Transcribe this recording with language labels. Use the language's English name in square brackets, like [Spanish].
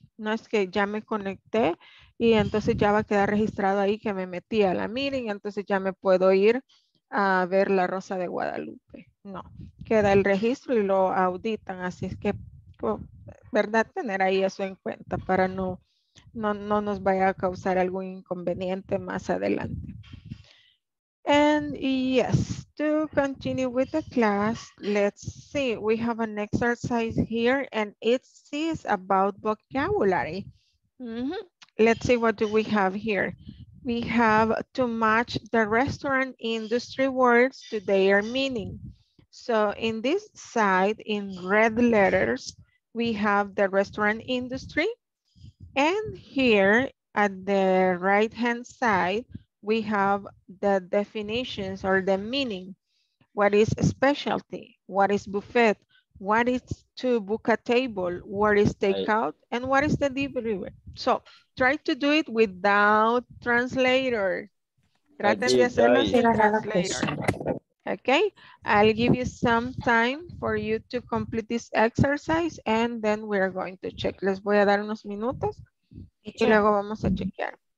[Spanish] No es que ya me conecté y entonces ya va a quedar registrado ahí que me metí a la meeting, entonces ya me puedo ir a ver La Rosa de Guadalupe. No, queda el registro y lo auditan, así es que, verdad, tener ahí eso en cuenta para no nos vaya a causar algún inconveniente más adelante. [English] And yes, to continue with the class, let's see, we have an exercise here and it is about vocabulary. Mm-hmm. Let's see, what do we have here? We have to match the restaurant industry words to their meaning. So in this side, in red letters, we have the restaurant industry. And here at the right-hand side, we have the definitions or the meaning. What is specialty? What is buffet? What is to book a table? What is takeout? And what is the delivery? So try to do it without translator. [Spanish] Traten de hacerlo sin translator. [English] Okay, I'll give you some time for you to complete this exercise and then we're going to check. [Spanish] Les voy a dar unos minutos y luego vamos a chequear.